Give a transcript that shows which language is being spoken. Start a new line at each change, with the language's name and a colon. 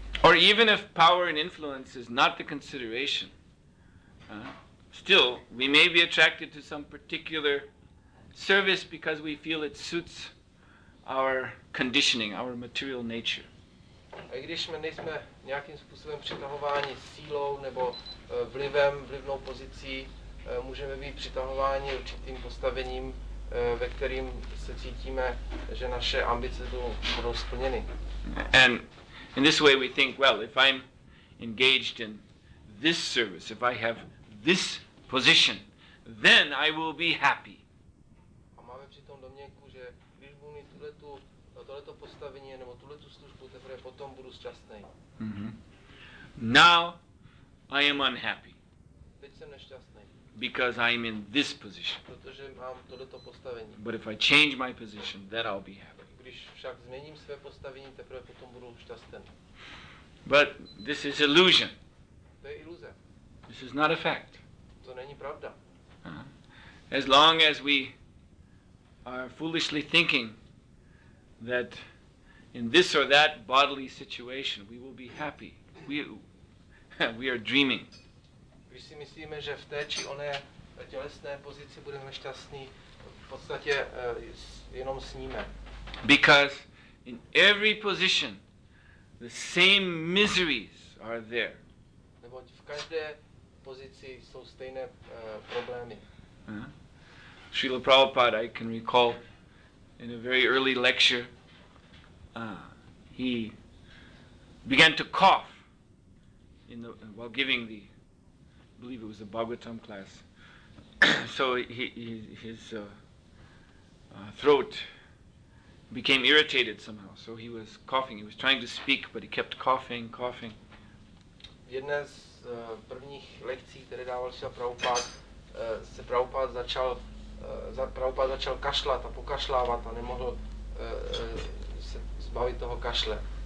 English: Or even if power and influence is not the consideration, still we may be attracted to some particular service because we feel it suits our conditioning, our material nature.
Czech: A když my nejsme nějakým způsobem přitahováni sílou nebo vlivnou pozicí, můžeme být přitahováni určitým postavením, ve kterým se cítíme, že naše ambice budou splněny.
English: And in this way we think, well, if I'm engaged in this service, if I have this position, then I will be happy.
Czech: A máme přitom domněnku, že když budu mít tohleto postavení nebo tuhletu službu, teprve potom budu šťastný.
English: Now I am unhappy.
Czech: Teď jsem nešťastný.
English: Because I am in this position.
Czech: Protože mám tohleto postavení.
English: But if I change my position, then I'll be happy.
Czech: Když však změním své postavení, teprve potom budu šťastný.
English: But this is illusion.
Czech: To je iluze.
English: This is not a fact.
Czech: To není pravda.
English: As long as we are foolishly thinking that in this or that bodily situation we will be happy, we are dreaming.
Czech: Když si myslíme, že v té či oné tělesné pozici budeme šťastní, v podstatě jenom sníme.
English: Because in every position the same miseries are there.
Czech: Neboť v každé pozici jsou stejné problémy.
English: Srila Prabhupada, I can recall, in a very early lecture, he began to cough in the, while giving the, I believe it was the Bhagavatam class. So his throat became irritated somehow. So he was coughing. He was trying to speak, but he kept coughing.
Czech: Jedna z prvních lekcí, které dával Srila Prabhupada, se Prabhupada začal kašlat a pokašlávat a nemohl se zbavit toho kašle.